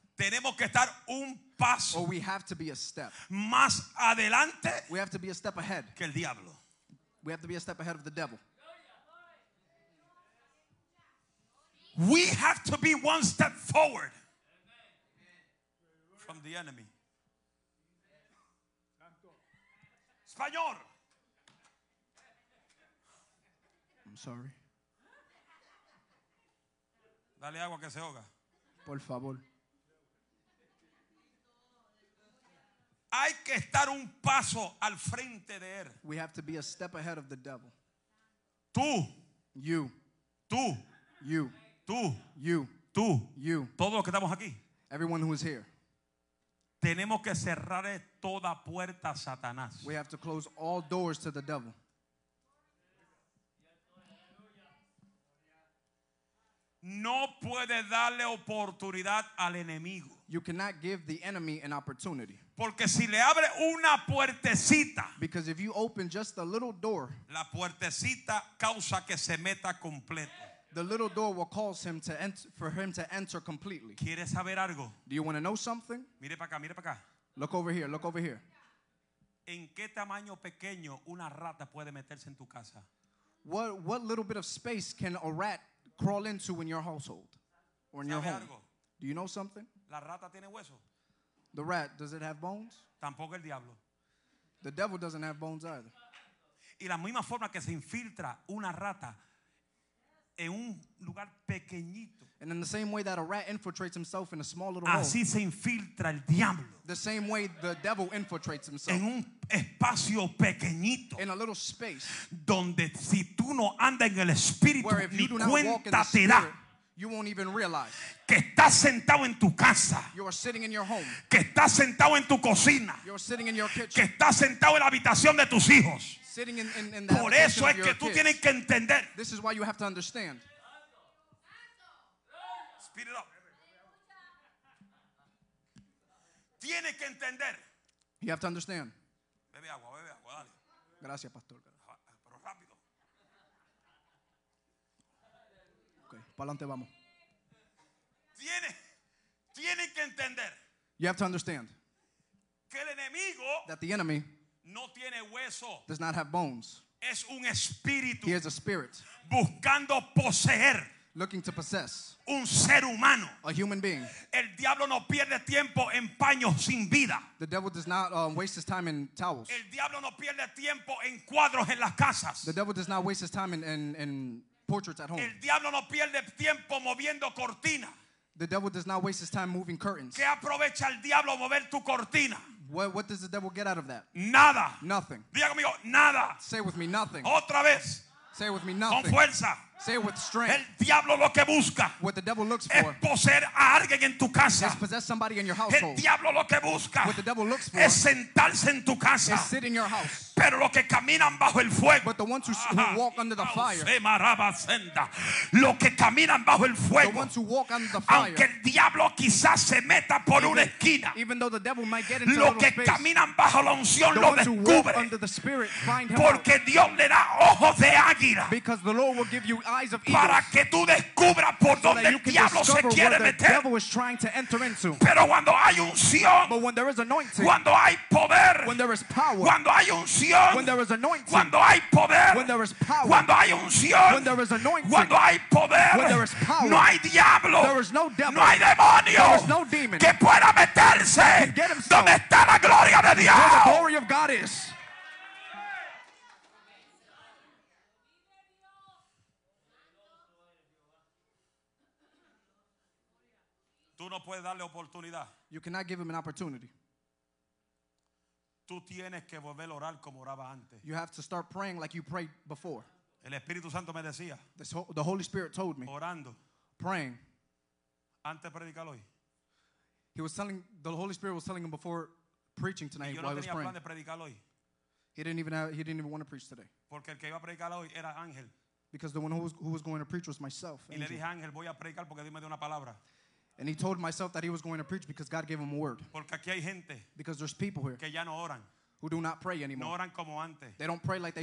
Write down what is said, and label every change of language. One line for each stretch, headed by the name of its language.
Spanish: tenemos que estar un paso.
English: Or we have to be a step.
Spanish: Más adelante.
English: We have to be a step ahead.
Spanish: Que el diablo.
English: We have to be a step ahead of the devil. We have to be one step forward from the enemy.
Spanish: Español.
English: I'm sorry.
Spanish: Dale agua que se ahoga. Por favor. Hay que estar un paso al frente de él.
English: We have to be a step ahead of the devil.
Spanish: Tú.
English: You.
Spanish: Tú.
English: You.
Spanish: Tú.
English: You.
Spanish: Tú.
English: You.
Spanish: Todos los que estamos aquí.
English: Everyone who is here.
Spanish: Tenemos que cerrar toda puerta a Satanás.
English: We have to close all doors to the devil.
Spanish: No puede darle oportunidad al enemigo.
English: You cannot give the enemy an opportunity.
Spanish: Porque si le abre una puertecita,
English: because if you open just a little door,
Spanish: la puertecita causa que se meta completo.
English: The little door will cause him to enter, for him to enter completely.
Spanish: ¿Quieres saber algo?
English: Do you want to know something?
Spanish: Mire para acá, mire para acá.
English: Look over here, look over here.
Spanish: ¿En qué tamaño pequeño una rata puede meterse en tu casa?
English: What little bit of space can a rat crawl into in your household or in your home?
Spanish: Algo?
English: Do you know something?
Spanish: La rata tiene hueso.
English: The rat, does it have bones?
Spanish: Tampoco el diablo.
English: The devil doesn't have bones either.
Spanish: Y la misma forma que se infiltra una rata en un lugar pequeñito.
English: And in the same way that a rat infiltrates himself in a small little hole.
Spanish: Así se infiltra el diablo.
English: The same way the devil infiltrates himself.
Spanish: En un espacio pequeñito.
English: In a little space.
Spanish: Donde si tú no andas en el espíritu,
English: where if
Spanish: ni
English: you do not walk in the spirit, you won't even realize.
Spanish: Que estás sentado en tu casa.
English: You are sitting in your home.
Spanish: Que estás sentado en tu cocina.
English: You are sitting in your kitchen.
Spanish: Que estás sentado en la habitación de tus hijos.
English: Sitting in the
Spanish: por eso es que tú
English: kids.
Spanish: Tienes que entender.
English: This is why you have to understand. Speed it up.
Spanish: Tienes que entender.
English: You have to understand.
Spanish: Bebe agua, bebe agua, dale. Gracias, pastor. Pero rápido. Okay, para adelante vamos. Tienes que entender.
English: You have to understand.
Spanish: Que el enemigo.
English: That the enemy.
Spanish: No tiene hueso.
English: Does not have bones.
Spanish: Es un espíritu.
English: He is a spirit.
Spanish: Buscando poseer.
English: Looking to possess.
Spanish: Un ser humano.
English: A human being.
Spanish: El diablo no pierde tiempo en paños sin vida.
English: The devil does not waste his time in towels.
Spanish: El diablo no pierde tiempo en cuadros en las casas.
English: The devil does not waste his time in portraits at home.
Spanish: El diablo no pierde tiempo moviendo cortinas.
English: The devil does not waste his time moving curtains.
Spanish: ¿Qué aprovecha el diablo mover tu cortina?
English: What does the devil get out of that?
Spanish: Nada.
English: Nothing.
Spanish: Diga conmigo, nada.
English: Say with me, nothing.
Spanish: Otra vez.
English: Say with me, nothing.
Spanish: Con fuerza.
English: Say with strength.
Spanish: El diablo lo que busca.
English: What the devil looks
Spanish: es
English: for.
Spanish: Es poseer a alguien en tu casa.
English: Is possess somebody in your household.
Spanish: El diablo lo que busca.
English: What the devil looks for.
Spanish: Es sentarse en tu casa.
English: Is sit in your house.
Spanish: Pero los que caminan bajo el fuego.
English: But the ones who walk under the fire. Se maraba senda.
Spanish: Los que caminan bajo el fuego.
English: The ones who walk under the fire.
Spanish: Aunque el diablo quizás se meta por una esquina.
English: Even though the devil might get into space.
Spanish: Los que caminan bajo la unción lo descubre.
English: Under the spirit, find him.
Spanish: Porque Dios le da ojos de águila.
English: Because the Lord will give you eyes of
Spanish: para que tú descubras por
English: so
Spanish: donde el diablo se quiere meter.
English: Devil is trying to enter into.
Spanish: Pero cuando hay unción.
English: But when there is anointing.
Spanish: Cuando hay poder.
English: When there is power.
Spanish: Cuando hay unción.
English: When there is anointing.
Spanish: Cuando hay poder.
English: When there is power.
Spanish: Cuando hay unción.
English: When there is anointing.
Spanish: Cuando hay poder.
English: When there is power.
Spanish: No hay diablo.
English: There is no devil.
Spanish: No hay demonio.
English: There is no demon.
Spanish: Que pueda meterse.
English: Get himself.
Spanish: Donde está la gloria de Dios.
English: Where the glory of God is.
Spanish: Tú no puedes darle oportunidad.
English: You cannot give him an opportunity.
Spanish: Tú tienes que volver a orar como oraba antes.
English: You have to start praying like you prayed before.
Spanish: El Espíritu Santo me decía.
English: The Holy Spirit told me.
Spanish: Orando.
English: Praying.
Spanish: Antes de predicar hoy.
English: He was telling, the Holy Spirit was telling him before preaching tonight while he was praying.
Spanish: Yo no tenía plan de predicar hoy.
English: He didn't even want to preach today.
Spanish: Porque el que iba a predicar hoy era Ángel.
English: Because the one who was going to preach was myself.
Spanish: Y le dije a Ángel, voy a predicar porque Dios me dio una palabra.
English: And he told myself that he was going to preach because God gave him a word.
Spanish: Porque aquí hay gente
English: because there's people here
Spanish: que ya no oran.
English: who do not pray anymore.
Spanish: No oran como antes.
English: They don't pray like they